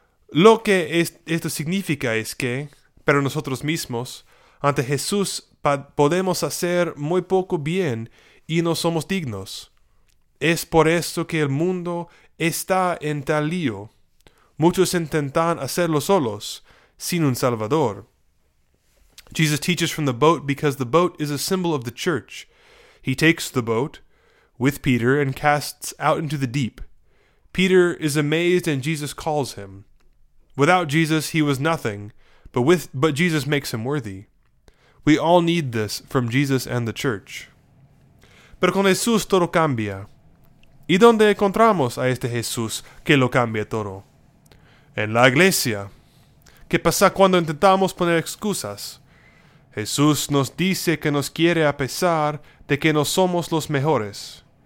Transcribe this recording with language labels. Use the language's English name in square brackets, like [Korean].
[Spanish] Lo que esto significa es que, para nosotros mismos, ante Jesús podemos hacer muy poco bien y no somos dignos. Es por eso que el mundo está en tal lío. Muchos intentan hacerlo solos, sin un Salvador. [English] Jesus teaches from the boat because the boat is a symbol of the church. He takes the boat with Peter and casts out into the deep. Peter is amazed and Jesus calls him. Without Jesus, he was nothing, but Jesus makes him worthy. We all need this from Jesus and the church. [Spanish] Pero con Jesús todo cambia. ¿Y dónde encontramos a este Jesús que lo cambia todo? En la iglesia. ¿Qué pasa cuando intentamos poner excusas? Jesús nos dice que nos quiere a pesar de que no somos los mejores.